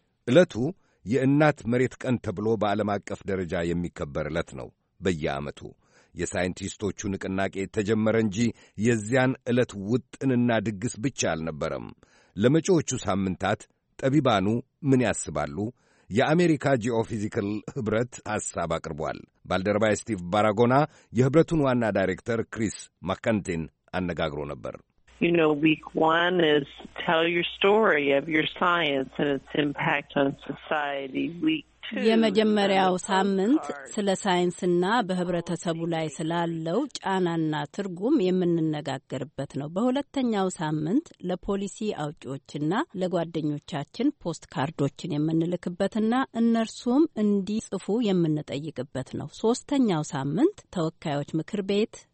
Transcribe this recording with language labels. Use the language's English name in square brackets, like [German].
[Amharic] ዕለቱ የእናት መሬት ቀን ተብሎ በዓለም አቀፍ ደረጃ የሚከበር ዕለት ነው። በየዓመቱ የሳይንቲስቶቹ ንቅናቄ ተጀመረ እንጂ የዚያን ዕለት ውጥንና ድግስ ብቻ አልነበረም። ለመጪዎቹ ሳምንታት ጠቢባኑ ምን ያስባሉ? የአሜሪካ ጂኦፊዚካል ኅብረት ሐሳብ አቅርቧል። ባልደረባይ ስቲቭ ባራጎና የኅብረቱን ዋና ዳይሬክተር ክሪስ ማካንቲን አነጋግሮ ነበር። [English] You know, week one is tell your story of your science and its impact on society. Week two, [Amharic] የመጀመሪያው ሳምንት ስለ ሳይንስና በህብረተሰቡ ላይ ስላለው ጫናና ትርጉም የምንነጋገርበት ነው። በሁለተኛው ሳምንት ለፖሊሲ አውጪዎችና ለጓደኞቻችን ፖስት ካርዶችን የምንልክበትና እነርሱም እንዲጽፉ የምንጠይቅበት ነው። ሶስተኛው ሳምንት ተወካዮች ምክር ቤት፣